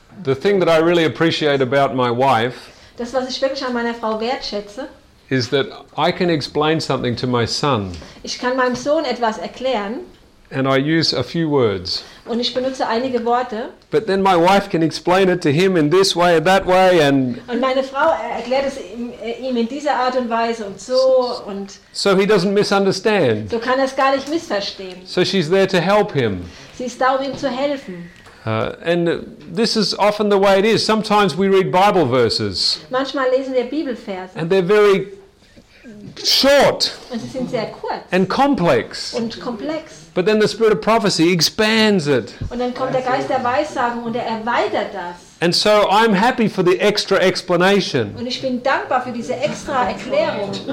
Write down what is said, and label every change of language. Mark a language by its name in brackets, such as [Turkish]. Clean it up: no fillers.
[English] The thing that I really appreciate about my wife, [German] das, was ich wirklich an meiner Frau wertschätze, [English] is that I can explain something to my son. [German] Ich kann meinem Sohn etwas erklären. [English] And I use a few words. [German] Und ich benutze einige Worte. [English] But then my wife can explain it to him in this way or that way, and. [German] Und meine Frau erklärt es ihm in dieser Art und Weise und so und. [English] So he doesn't misunderstand. [German] So kann er es gar nicht missverstehen. [English] So she's there to help him. [German] Sie ist da, um ihm zu helfen. [English] And this is often the way it is. Sometimes we read Bible verses. [German] Manchmal lesen wir Bibelverse. [English] And they're very short. [German] Und sie sind sehr kurz. [English] And complex. [German] Und komplex. [English] But then the spirit of prophecy expands it. [German] Und dann kommt der Geist der Weissagung und er erweitert das. [English] And so I'm happy for the extra explanation. [German] Und ich bin dankbar für diese extra Erklärung.